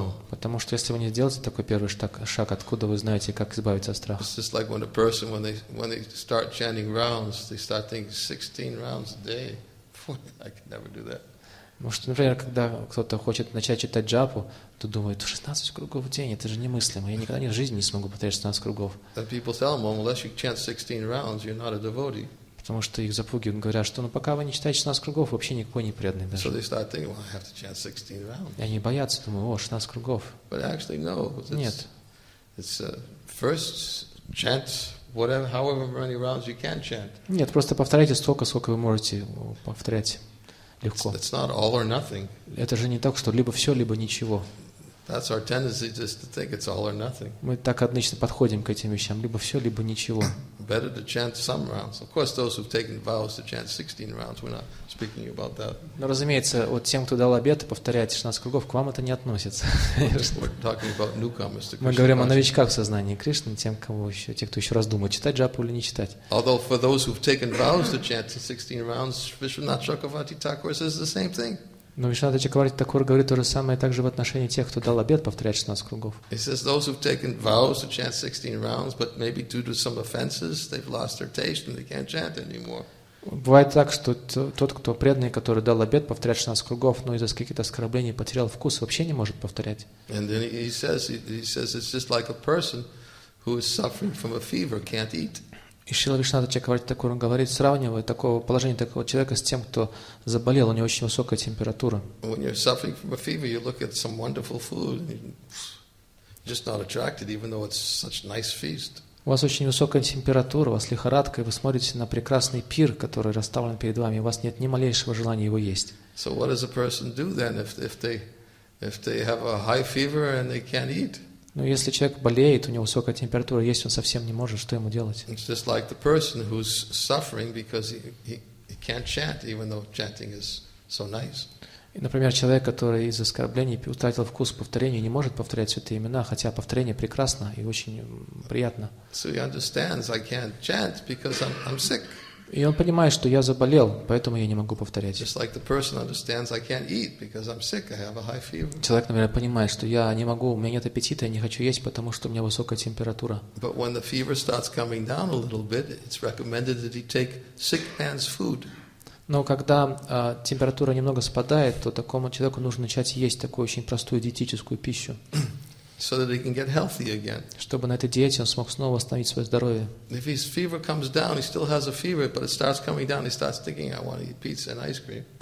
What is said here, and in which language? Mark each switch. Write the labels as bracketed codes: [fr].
[ru] Потому что если вы не сделаете такой первый шаг, откуда вы знаете, как избавиться от страха? [en] It's just like when a person, when they start chanting rounds, they start thinking 16 rounds a day. I could never do that. [ru] Может, например, когда кто-то хочет начать читать джапу, то думает, 16 кругов в день, это же немыслимо, я никогда ни в жизни не смогу повторить 16 кругов. [en] And people tell them, well, unless you chant 16 rounds, you're not a devotee. [ru] Потому что их запугивают, говорят, что ну пока вы не читаете 16 кругов, вообще никакой не преданный даже. [en] So they start thinking, well, I have to chant 16 rounds. [ru] И они боятся, думают, о, 16 кругов. [en] But actually, no. [ru] Нет. [en] It's first chant, whatever, however many rounds you can chant. [ru] Нет, просто повторяйте столько, сколько вы можете повторять легко. [en] It's not all or nothing. [ru] Это же не так, что либо все, либо ничего. [en] That's our tendency just to think it's all or nothing. [ru] Мы так обычно подходим к этим вещам, либо все, либо ничего. [en] Better to chant some rounds. Of course, those who've taken vows to chant 16 rounds, we're not speaking about that. [ru] Но разумеется, вот тем, кто дал обет, повторять 16 кругов, к вам это не относится. [en] We're talking about newcomers to Krishna. [ru] Мы говорим о новичках в сознании Кришны, тем, кого еще, те, кто еще раз думает, читать джапу или не читать. [en] Although for those who've taken vows to chant 16 rounds, Vishwanath Chakravarti Thakur says the same thing. [ru] Но Вишнанат Чакраварти Такур говорит то же самое также в отношении тех, кто дал обет повторять 16 кругов. [en] He says those who've taken vows to chant 16 rounds, but maybe due to some offenses, they've lost their taste and they can't chant anymore. [ru] Бывает так, что тот, кто преданный, который дал обет повторять 16 кругов, но из-за каких-то оскорблений потерял вкус, вообще не может повторять. [en] And then he says it's just like a person who is suffering from a fever can't eat. [ru] И Шрила Вишнанат Чакраварти Такур говорит, сравнивая такого положение такого человека с тем, кто заболел, у него очень высокая температура. [en] When you're suffering from a fever, you look at some wonderful food and you're just not attracted, even though it's such nice feast. [ru] У вас очень высокая температура, у вас лихорадка, и вы смотрите на прекрасный пир, который расставлен перед вами, и у вас нет ни малейшего желания его есть. [en] So what does a person do then if they have a high fever and they can't eat? [ru] Но если человек болеет, у него высокая температура, есть он совсем не может, что ему делать? [en] It's just like the person who's suffering because he can't chant, even though chanting is so nice. [ru] И, например, человек, который из-за оскорблений утратил вкус к повторению, не может повторять святые имена, хотя повторение прекрасно и очень приятно. [en] So he understands I can't chant because I'm sick. [ru] И он понимает, что я заболел, поэтому я не могу повторять. [en] Just like the person understands, I can't eat because I'm sick. I have a high fever. [ru] Человек, например, понимает, что я не могу, у меня нет аппетита, я не хочу есть, потому что у меня высокая температура. [en] But when the fever starts coming down a little bit, it's recommended that he take sick man's food. [ru] Но когда температура немного спадает, то такому человеку нужно начать есть такую очень простую диетическую пищу. [en] So that he can get healthy again. [ru] Чтобы на этой диете он смог снова восстановить свое здоровье. [en] If his fever comes down, he still has a fever, but it starts coming down, he starts thinking, I want to eat pizza and ice cream.